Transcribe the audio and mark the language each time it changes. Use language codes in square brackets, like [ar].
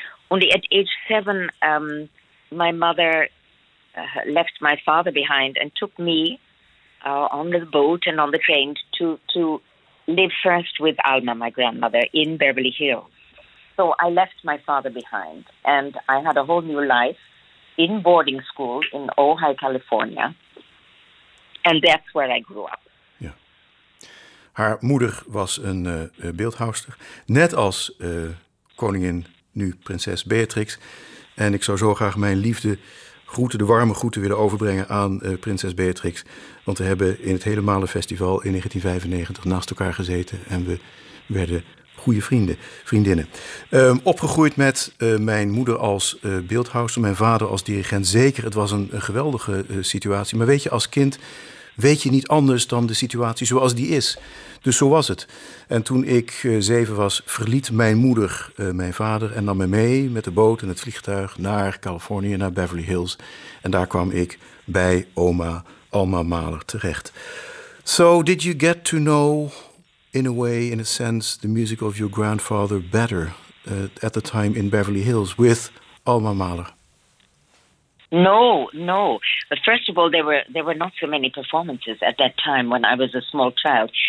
[en] Only at age 7, my mother left my father behind and took me on the boat and on the train to live first with Alma, my grandmother, in Beverly Hills. So I left my father behind, and I had a whole new life in boarding school in Ojai, California, and that's where I grew up. [nl] Ja. Haar moeder was een beeldhouwster, net als koningin, nu prinses Beatrix. En ik zou zo graag mijn liefde groeten, de warme groeten willen overbrengen aan prinses Beatrix. Want we hebben in het hele Malenfestival in 1995 naast elkaar gezeten en we werden goede vrienden, vriendinnen. Opgegroeid met mijn moeder als beeldhouwster, mijn vader als dirigent. Zeker, het was een geweldige situatie. Maar weet je, als kind weet je niet anders dan de situatie zoals die is. Dus zo was het. En toen ik 7 was, verliet mijn moeder mijn vader en nam me mee met de boot en het vliegtuig naar Californië, naar Beverly Hills. En daar kwam ik bij oma Alma Mahler terecht. [en] So, did you get to know, in a way, in a sense, the music of your grandfather better at the time in Beverly Hills with Alma Mahler? No. But first of all, there were not so many performances at that time when I was a small child.